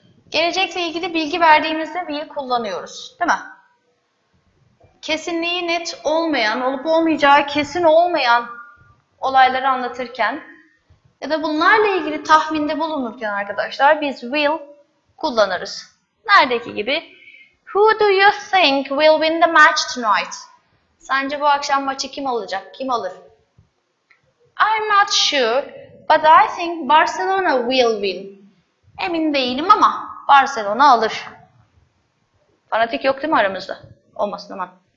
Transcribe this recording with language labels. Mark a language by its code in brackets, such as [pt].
[tr] Gelecekle ilgili bilgi verdiğimizde will kullanıyoruz, değil mi? Kesinliği net olmayan, olup olmayacağı kesin olmayan olayları anlatırken ya da bunlarla ilgili tahminde bulunurken arkadaşlar biz will kullanırız. Neredeki gibi? [en] Who do you think will win the match tonight? [tr] Sence bu akşam maçı kim alacak, kim alır? [en] I'm not sure, but I think Barcelona will win. [tr] Emin değilim ama Barcelona alır. Fanatik yok değil mi aramızda? Olmasın aman.